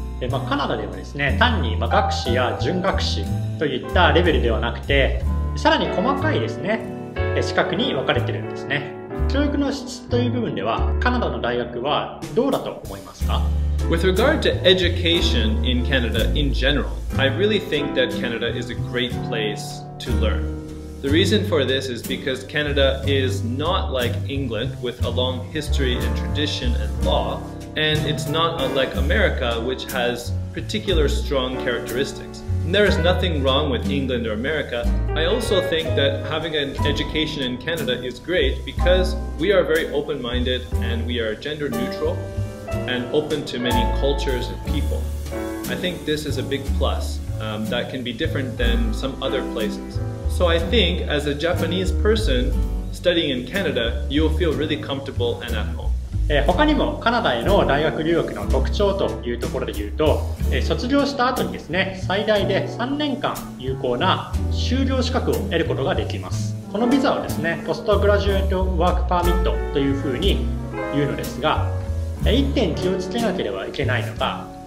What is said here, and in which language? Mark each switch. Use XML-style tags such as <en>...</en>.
<ja>カナダではですね、単に学士や準学士といったレベルではなくて、さらに細かいですね、資格に分かれているんですね。教育の質という部分ではカナダの大学はどうだと思いますか。</ja> <en>With regard to education in Canada in general, I really think that Canada is a great place to learn. The reason for this is because Canada is not like England with a long history and tradition and law. And it's not unlike America, which has particular strong characteristics. And there is nothing wrong with England or America. I also think that having an education in Canada is great because we are very open-minded and we are gender neutral and open to many cultures and people. I think this is a big plus, that can be different than some other places. So I think as a Japanese person studying in Canada, you will feel really comfortable and at home.</en> <ja>他にもカナダへの大学留学の特徴というところで言うと、卒業した後にですね、最大で3年間有効な修了資格を得ることができます。このビザはですね、ポストグラジュエートワークパーミットというふうに言うのですが、一点気をつけなければいけないのが、</ja>